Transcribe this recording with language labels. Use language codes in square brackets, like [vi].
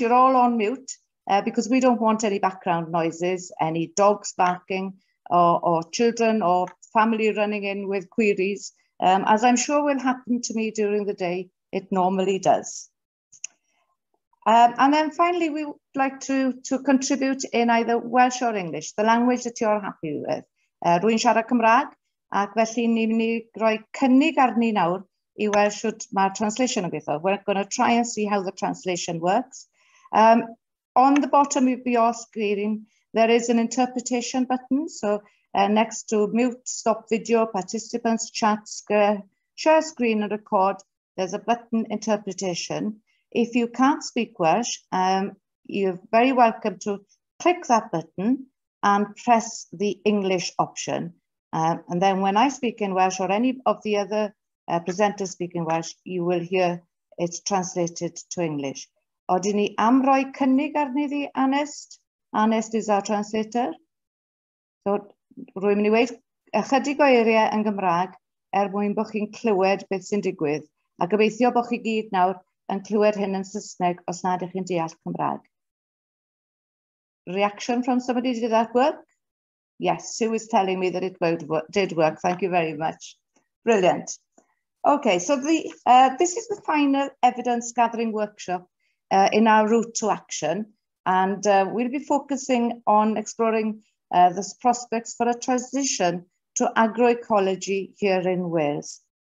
[en] You're all on mute because we don't want any background noises, any dogs barking or children or family running in with queries, as I'm sure will happen to me during the day. It normally does. And then finally, we'd like to contribute in either Welsh or English, the language that you're happy with. [cy] Rwy'n siarad Cymraeg, ac felly ni'n mynd i roi cynnig arni nawr i weld sut mae'r translation yn gweithio. [en] We're going to try and see how the translation works. On the bottom of your screen, there is an interpretation button. So next to mute, stop video, participants, chat, share screen and record, there's a button interpretation. If you can't speak Welsh, you're very welcome to click that button and press the English option. And then when I speak in Welsh or any of the other presenters speak in Welsh, you will hear it translated to English. [cy] Odyn ni am roi cynnig arni ddi, Anest? [en] Anest is our translator. [cy] So rwy'n mynd i weid ychydig o eiriau yn Gymraeg er mwyn bod chi'n clywed beth sy'n digwydd. A gobeithio bod chi gyd nawr yn clywed hyn yn Saesneg os nad ydych chi'n deall Cymraeg. [en] Reaction from somebody, did that work? Yes, Sue is telling me that it did work. Thank you very much. Brilliant. Okay, so this is the final evidence gathering workshop in our route to action. And we'll be focusing on exploring the prospects for a transition to agroecology here in Wales.